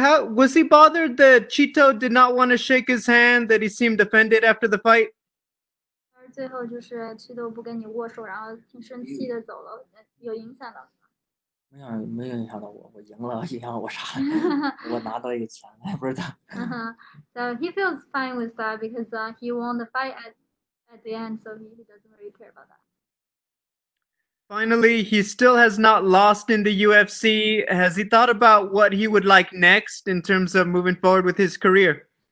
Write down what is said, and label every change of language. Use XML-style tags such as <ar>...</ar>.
<en>How was he bothered that Chito did not want to shake his hand? That he seemed offended after the fight.</en> <zh>最后就是Chito不跟你握手，然后挺生气的走了，有影响到。没有影响到我，我赢了，影响我啥？我拿到一个钱，不知道。So</zh> <en>he feels fine with that because he won the fight at the end, so he doesn't really care about that. Finally, he still has not lost in the UFC. Has he thought about what he would like next in terms of moving forward with his career?</en>